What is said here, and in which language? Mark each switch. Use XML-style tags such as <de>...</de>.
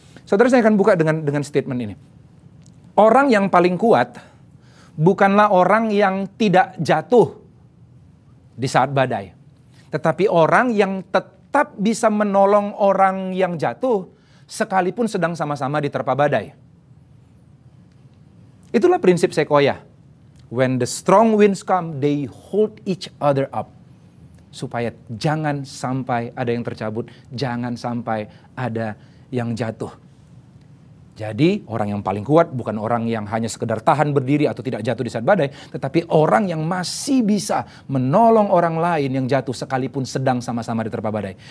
<id>Saudara, saya akan buka dengan statement ini. Orang yang paling kuat bukanlah orang yang tidak jatuh di saat badai, tetapi orang yang tetap bisa menolong orang yang jatuh sekalipun sedang sama-sama diterpa badai. Itulah prinsip sekoya.</id> <en>When the strong winds come, they hold each other up.</en> <id>Supaya jangan sampai ada yang tercabut, jangan sampai ada yang jatuh. Jadi orang yang paling kuat bukan orang yang hanya sekedar tahan berdiri atau tidak jatuh di saat badai, tetapi orang yang masih bisa menolong orang lain yang jatuh sekalipun sedang sama-sama diterpa badai.</id>